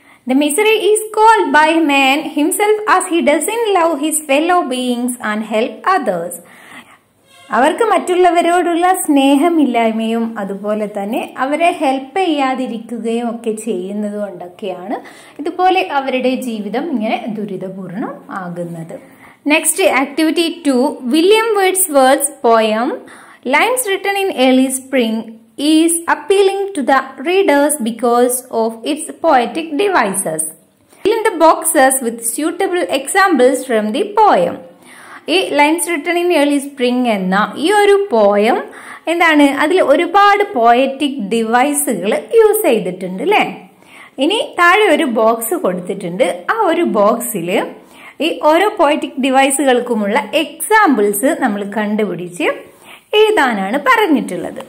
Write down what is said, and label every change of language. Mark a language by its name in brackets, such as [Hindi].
[English] The misery is called by man himself as he doesn't love his fellow beings and help others. [Malayalam] അവർക്ക് മറ്റുള്ളവരോടുള്ള സ്നേഹമില്ലായ്മയും അതുപോലെ തന്നെ അവരെ help ചെയ്യാതിരിക്കുകയും ഒക്കെ ചെയ്യുന്നത് കൊണ്ടൊക്കെയാണ് ഇതുപോലെ അവരുടെ ജീവിതം ഇങ്ങനെ ദുരിതപൂർണം ആകുന്നത്. [English] Next activity two, William Wordsworth's poem Lines written in early spring is appealing to the readers because of its poetic devices. Fill in the boxes with suitable examples from the poem. [Malayalam] ഈ lines written in early spring എന്ന ഈ ഒരു poem എന്താണ്, അതിൽ ഒരുപാട് poetic ഡിവൈസുകൾ use ചെയ്തിട്ടുണ്ട് അല്ലേ. ഇനി താഴെ ഒരു ബോക്സ് കൊടുത്തിട്ടുണ്ട്. ആ ഒരു ബോക്സിൽ ഈ ഓരോ പോയറ്റിക് ഡിവൈസുകൾക്കുമുള്ള എക്സാമ്പിൾസ് നമ്മൾ കണ്ടുപിടിച്ച് എഴുതാനാണ് പറഞ്ഞിട്ടുള്ളത്.